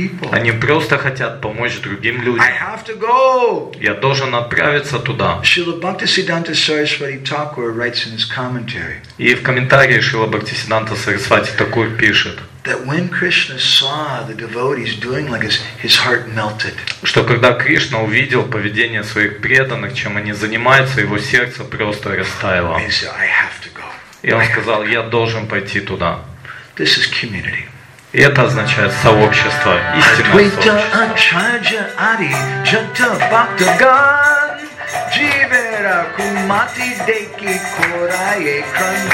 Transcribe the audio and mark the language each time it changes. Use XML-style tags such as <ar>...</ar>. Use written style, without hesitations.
<ru>Они просто хотят помочь другим людям. Я должен отправиться туда.</ru> <en>Шрила Бхактисиддханта Сарасвати Тхакура writes in his commentary.</en> <ru>И в комментарии Шрила Бхактисиддханта Сарасвати Тхакур пишет.</ru> <en>That when Krishna saw the devotees doing like this, his heart melted.</en> <ru>Что когда Кришна увидел поведение своих преданных, чем они занимаются, его сердце просто растаяло.</ru> <en>He said, "I have to go."</en> <ru>И он сказал, я должен пойти туда.</ru> <en>This is community.</en> <ru>И это означает сообщество, истинное сообщество.</ru>